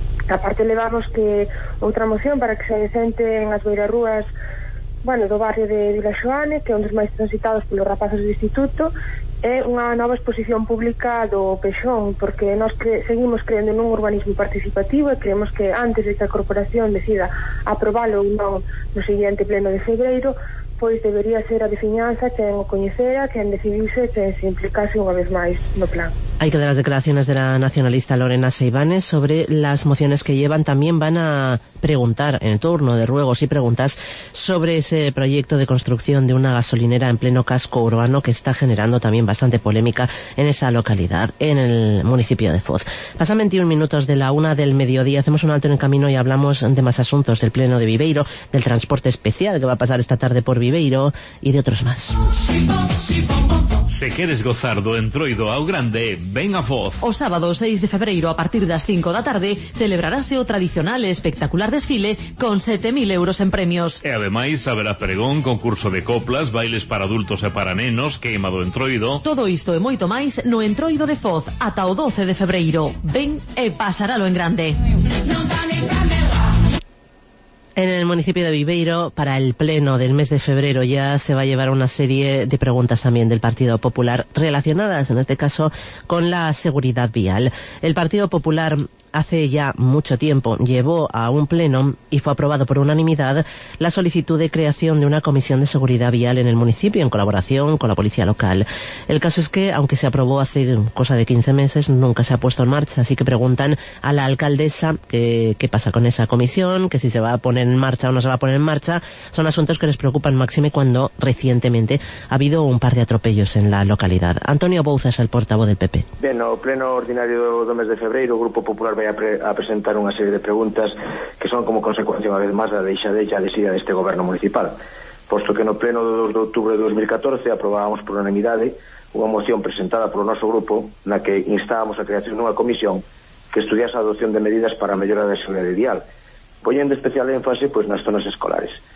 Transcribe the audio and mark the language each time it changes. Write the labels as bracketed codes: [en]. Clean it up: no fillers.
[gl] Aparte, levamos que outra moción para que se decenten as beirarrúas, bueno, do barrio de Vila Xoane, que é un dos máis transitados polos rapazos do instituto, é unha nova exposición pública do Peixón, porque nós seguimos creendo nun urbanismo participativo e creemos que antes de que a corporación decida aprobalo ou non no seguinte pleno de febreiro, pois debería ser a veciñanza quen o coñecera, quen decidise, quen se implicase unha vez máis no plan. Hai que dar as declaracións [es] de la nacionalista Lorena Seivanes sobre las mociones que llevan. Tamén van a preguntar en el turno de ruegos y preguntas sobre ese proyecto de construcción de una gasolinera en pleno casco urbano que está generando también bastante polémica en esa localidad, en el municipio de Foz. Pasan 21 minutos de la una del mediodía, hacemos un alto en el camino y hablamos de más asuntos del pleno de Viveiro, del transporte especial que va a pasar esta tarde por Viveiro y de otros más. [gl] Se queres gozar do entroido ao grande, ven a Foz. O sábado 6 de febreiro a partir das 5 da tarde celebrarase o tradicional espectacular desfile con 7.000 euros en premios. E ademais haberá pregón, concurso de coplas, bailes para adultos e para nenos, queima do entroido. Todo isto e moito máis no entroido de Foz ata o 12 de febreiro. Ven e pasaralo en grande. [es] En el municipio de Viveiro, para el pleno del mes de febrero, ya se va a llevar una serie de preguntas también del Partido Popular relacionadas, en este caso, con la seguridad vial. El Partido Popular hace ya mucho tiempo llevó a un pleno y fue aprobado por unanimidad la solicitud de creación de una comisión de seguridad vial en el municipio en colaboración con la policía local. El caso es que, aunque se aprobó hace cosa de 15 meses, nunca se ha puesto en marcha, así que preguntan a la alcaldesa qué pasa con esa comisión, que si se va a poner en marcha o no se va a poner en marcha. Son asuntos que les preocupan máxime cuando recientemente ha habido un par de atropellos en la localidad. Antonio Bouzas, el portavoz del PP. [gl] Bien, no pleno ordinario do mes de febreiro, Grupo Popular vai a presentar unha serie de preguntas que son como consecuencia, unha vez máis, da deixadella e desidia deste goberno municipal. Posto que no pleno do 2 de outubro de 2014 aprobábamos por unanimidade unha moción presentada polo noso grupo na que instábamos a creación dunha comisión que estudiase a adopción de medidas para a mellora da seguridade vial, poñendo especial énfase pois, nas zonas escolares.